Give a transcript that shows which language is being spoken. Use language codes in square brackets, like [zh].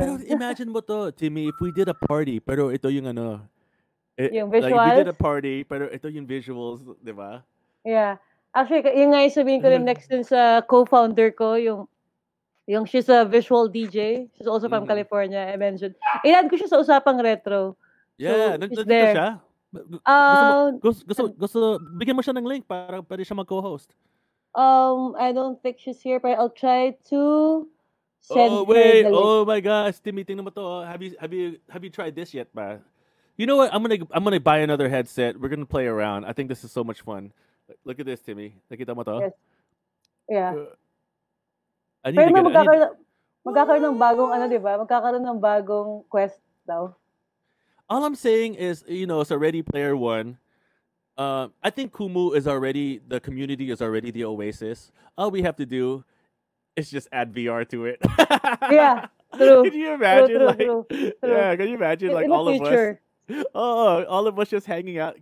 [tl] Pero imagine mo to, Timmy, [en] if we did a party, [tl] pero ito yung yung visuals? [en] Like, if we did a party, [tl] pero ito yung visuals, di ba? Yeah. Actually, yung nga yung sabihin ko rin next dun sa co-founder ko, yung [en] she's a visual DJ. She's also from California. I mentioned. [tl] Inad ko siya sa usapang retro. Yeah, so, nandito there. Siya. Gusto bigyan mo siya ng link para pwede siya mag-co-host. [en] I don't think she's here, but I'll try to send her the link. Oh my gosh, Timmy, [tl] tingnan mo to. [en] Have you tried this yet, [tl] ba? [en] You know what? I'm gonna buy another headset. We're gonna play around. I think this is so much fun. Look at this, Timmy. [tl] Nakita mo to? [en] Yes. Yeah. [tl] Pero magkakaroon ng bagong di ba? Magkakaroon ng bagong quest daw. [en] All I'm saying is, you know, it's already Player One. I think Kumu is already, the community is already the oasis. All we have to do is just add VR to it. Yeah, true. Can you imagine? Can you imagine like all of us? Oh, all of us just hanging out.